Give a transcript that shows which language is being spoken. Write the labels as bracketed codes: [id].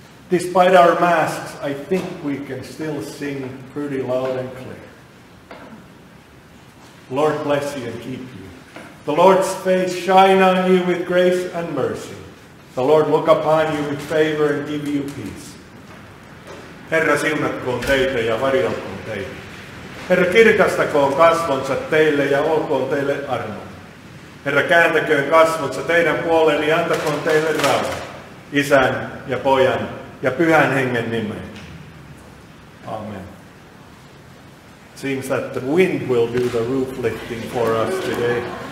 [en] Despite our masks, I think we can still sing pretty loud and clear. Lord bless you and keep you. The Lord's face shine on you with grace and mercy. The Lord look upon you with favor and give you peace. [fi] Herra siunatkoon teitä ja varjelkoon teitä. Herra kirkastakoon kasvonsa teille ja olkoon teille armo. Herra kääntäköön kasvonsa teidän puoleen ja antakoon teille rauha. Isän ja Pojan ja Pyhän Hengen nimeen. Amen. [en] Seems that the wind will do the roof lifting for us today.